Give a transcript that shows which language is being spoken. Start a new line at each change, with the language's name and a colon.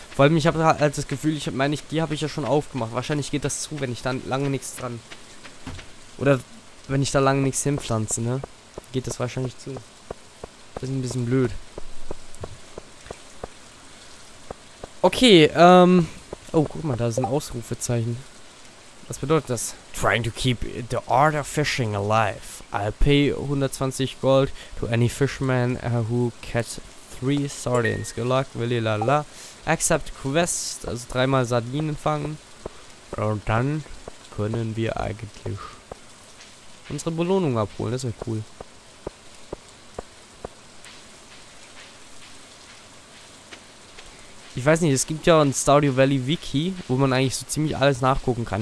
German: Vor allem, ich habe halt das Gefühl, die habe ich ja schon aufgemacht. Wahrscheinlich geht das zu, wenn ich dann lange nichts dran. Oder wenn ich da lange nichts hinpflanze, ne? Geht das wahrscheinlich zu. Das ist ein bisschen blöd. Okay, oh, guck mal, da ist ein Ausrufezeichen. Was bedeutet das?
English: Trying to keep the art of fishing alive. I'll pay 120 gold to any fisherman who catch 3 sardines. Good luck, willi lala.
German: Accept quest, also 3-mal Sardinen fangen. Und dann können wir eigentlich unsere Belohnung abholen, das wäre cool. Ich weiß nicht, es gibt ja ein Stardew Valley Wiki, wo man eigentlich so ziemlich alles nachgucken kann.